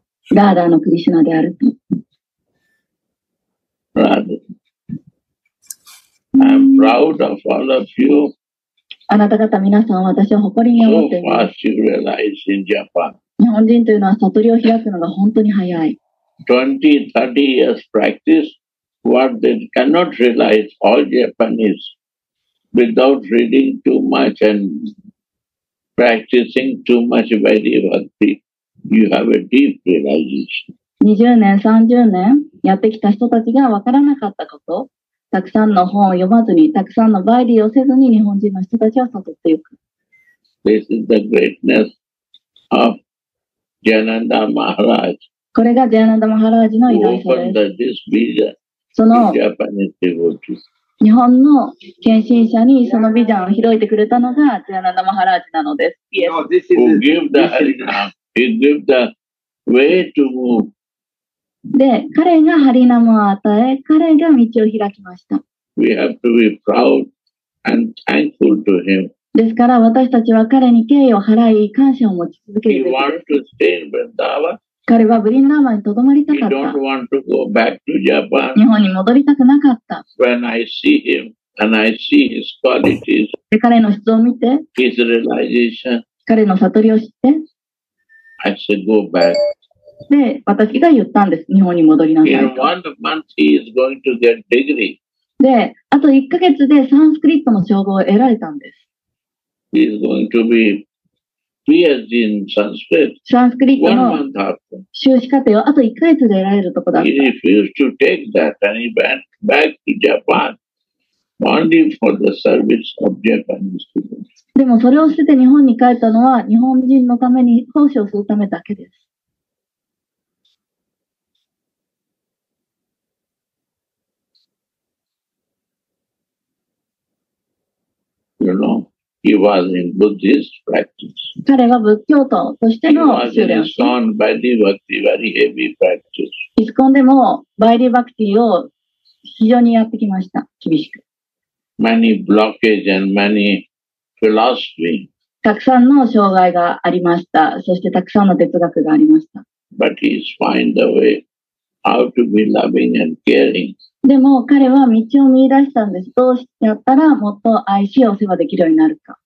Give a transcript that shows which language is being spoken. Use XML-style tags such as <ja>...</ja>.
<ja>ラーダーのクリシュナであると。</ja> <en>I'm proud of all of you.</en> <ja>あなた方皆さん、私は誇りに思っています</ja> <en>。So fast you realize in Japan.</en> <ja>日本人というのは悟りを開くのが本当に早い。</ja> <en>20, 30 years practice, what they cannot realize all Japanese without reading too much and practicing too much Vaidivakti, you have a deep realization.</en> <ja>20年、30年やってきた人たちが分からなかったこと、たくさんの本を読まずに、たくさんのバイディをせずに日本人の人たちは悟っていく。</ja> <en>This is the greatness of Jananda Maharaj.</en> <ja>これがジャナンダ・マハラージの偉大さです。その日本の献身者にそのビジョンを広げてくれたのがジャナンダ・マハラージなのです。</ja> <en>Yes. No, He gave the way to move.</en> <ja>で、彼がハリナムを与え、彼が道を開きました。</ja> <en>We have to be proud and thankful to him.</en> <ja>ですから、私たちは彼に敬意を払い、感謝を持ち続けるべきです。</ja> <en>He wants to stay in Vrindavan.</en> <ja>彼はブリンダーバンにとどまりたかった。</ja> <en>He don't want to go back to Japan.</en> <ja>日本に戻りたくなかった。</ja> <en>When I see him and I see his qualities.</en> <ja>で、彼の質を見て。</ja> <en>His realization.</en> <ja>彼の悟りを知って。</ja> <en>I said go back.</en> <ja>で、私が言ったんです。日本に戻りなさいと。</ja> <en>In 1 month he is going to get degree.</en> <ja>で、あと1ヶ月でサンスクリットの称号を得られたんです。</ja> <en>He is going to be. PhD in Sanskrit.</en> <ja>サンスクリットの修士課程をあと1ヶ月で得られるとこだった。</ja> <en>He refused to take that and he went back to Japan only for the service of Japanese students.</en> <ja>でもそれを捨てて日本に帰ったのは日本人のために奉仕をするためだけです。</ja> <en>You know? He was in Buddhist practice.</en> <ja>彼は仏教徒としての</ja> <en>修練。He was in his own Vaidhi Bhakti, very heavy practice.</en> <ja>イスコンでも、Vaidhi Bhakti を非常にやってきました。厳しく。</ja> <en>Many blockage and many philosophy.</en> <ja>たくさんの障害がありました。そしてたくさんの哲学がありました。</ja> <en>But he's find a way how to be loving and caring.</en> <ja>でも彼は道を見出したんです。どうしてやったらもっと愛しお世話できるようになるか。</ja>